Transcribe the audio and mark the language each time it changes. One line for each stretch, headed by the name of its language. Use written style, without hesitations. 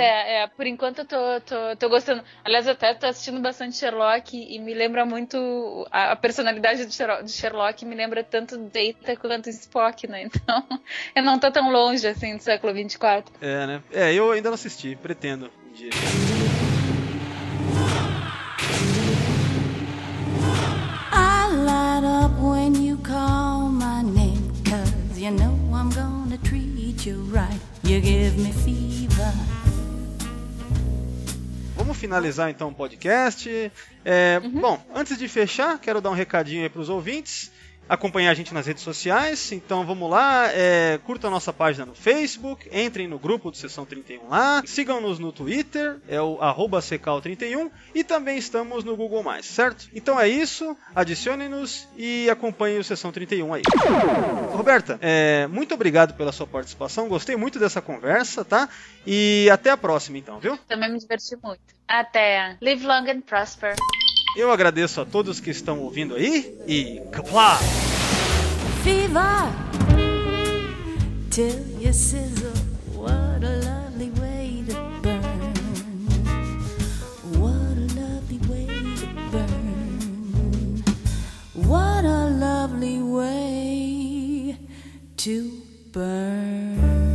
Portuguese: É, por enquanto eu tô gostando. Aliás, eu até tô assistindo bastante Sherlock e me lembra muito a personalidade de Sherlock, me lembra tanto Data quanto Spock, né? Então, eu não tô tão longe, assim, do século 24. É, né? Eu ainda não assisti, pretendo um dia.
English: I light up when you call my name, 'cause you know I'm gonna treat you right. You give me fever.
Portuguese: Vamos finalizar então o podcast. Bom, antes de fechar, quero dar um recadinho aí para os ouvintes. Acompanhar a gente nas redes sociais, então vamos lá, curta a nossa página no Facebook, entrem no grupo do Sessão 31 lá, sigam-nos no Twitter, é o @secal31, e também estamos no Google Mais, certo? Então é isso, adicionem-nos e acompanhem o Sessão 31 aí. Roberta, muito obrigado pela sua participação, gostei muito dessa conversa, tá? E até a próxima então, viu? Também me diverti muito. Até.
English: Live long and prosper.
Portuguese: Eu agradeço a todos que estão ouvindo aí e kapla! Viva!
English: Till you sizzle, what a lovely way to burn. What a lovely way to burn. What a lovely way to burn.